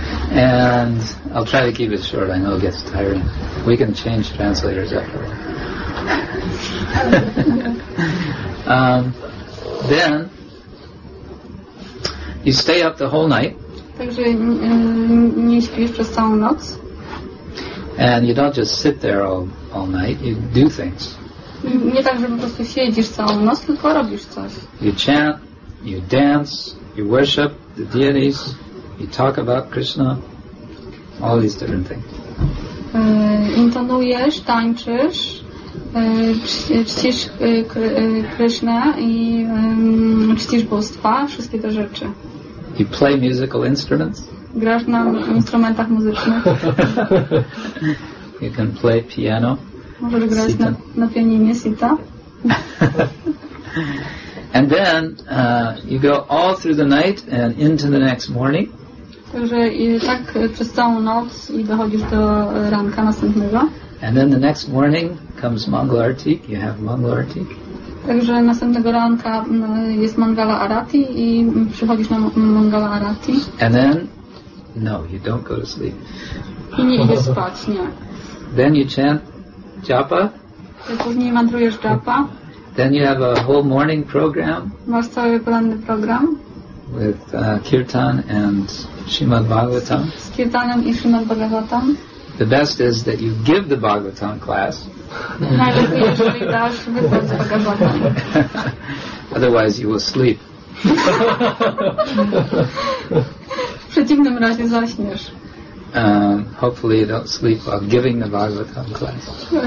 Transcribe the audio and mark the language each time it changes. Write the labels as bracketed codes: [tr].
[en] And I'll try to keep it short. I know it gets tiring. We can change translators after. Then you stay up the whole night. [pl] Także nie śpisz przez całą noc. [en] And you don't just sit there all night, you do things. [pl] Nie tak, że po prostu siedzisz całą noc, tylko robisz coś. [en] You chant, you dance, you worship the deities, you talk about Krishna, all these different things. [pl] Intonujesz, tańczysz, czcisz Krishna i czcisz bóstwa, wszystkie te rzeczy. [en] You play musical instruments. [pl] Grasz na instrumentach muzycznych. [en] You can play piano. [pl] Możesz grać na pianinie sita. [en] And then you go all through the night and into the next morning. [pl] Także i tak przez całą noc i dochodzisz do ranka następnego. [en] And then the next morning comes Mangala Arati. You have Mangala Arati. [pl] Także następnego ranka jest Mangala Arati i przychodzisz na Mangala Arati. [en] And then no, you don't go to sleep. [pl] I nie idziesz spać, nie. [en] Then you chant japa. [pl] Później mantrujesz japa. [en] Then you have a whole morning program. [pl] Masz cały poranny program. [en] With kirtan and Srimad Bhagavatam. [pl] Z kirtanem i Srimad Bhagavatam. [en] The best is that you give the Bhagavatam class. [pl] Najlepiej, jeżeli dasz wykład z Bhagavatam. [en] Otherwise you will sleep. [pl] W przeciwnym razie zaśniesz. [en] Hopefully you don't sleep while giving the Bhagavatam class.